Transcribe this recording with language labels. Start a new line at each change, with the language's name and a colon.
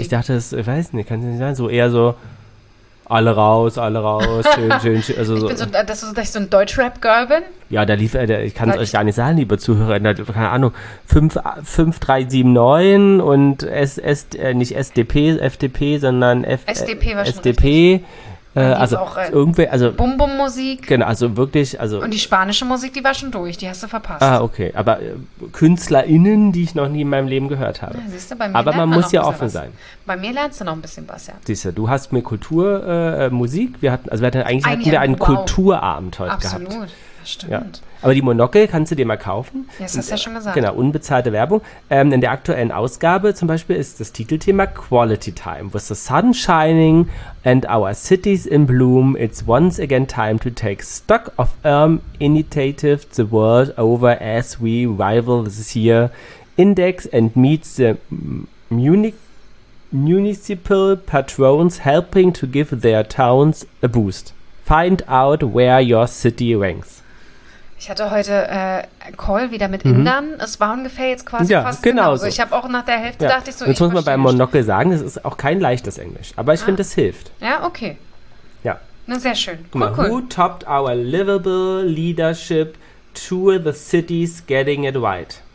German: Ich dachte, ich weiß nicht, kann es nicht sein, so eher so alle raus, schön, also ich bin so, dass ich so ein Deutschrap-Girl bin? Ja, da lief, ich kann es euch gar nicht sagen, liebe Zuhörer, keine Ahnung, 5379 und nicht SDP, FDP, sondern SDP war schon SDP, also auch, irgendwie, also Bum-Bum-Musik. Genau, also wirklich, also. Und die spanische Musik, die war schon durch, die hast du verpasst. Ah, okay, aber KünstlerInnen, die ich noch nie in meinem Leben gehört habe. Ja, siehst du, bei mir aber man muss ja offen sein. Bei mir lernst du noch ein bisschen was, ja. Siehst du, du hast mir Kultur, Musik, wir hatten eigentlich einen Kulturabend heute absolut gehabt. Absolut, stimmt. Ja. Aber die Monokel kannst du dir mal kaufen. Ja, das hast du ja schon gesagt. Genau, unbezahlte Werbung. In der aktuellen Ausgabe zum Beispiel ist das Titelthema Quality Time.
English: With the sun shining and our cities in bloom, it's once again time to take stock of initiative the world over as we rival this year index and meet the municipal patrons helping to give their towns a boost. Find out where your city ranks.
German: Ich hatte heute einen Call wieder mit Indern. Es war ungefähr jetzt quasi fast genauso. Ich habe auch nach der Hälfte dachte ich so, jetzt muss man beim Monokel sagen, das ist auch kein leichtes Englisch. Aber ich finde, es hilft. Ja, okay. Ja. Na, sehr schön. Guck mal, cool.
English: Who topped our livable leadership tour the cities getting it right?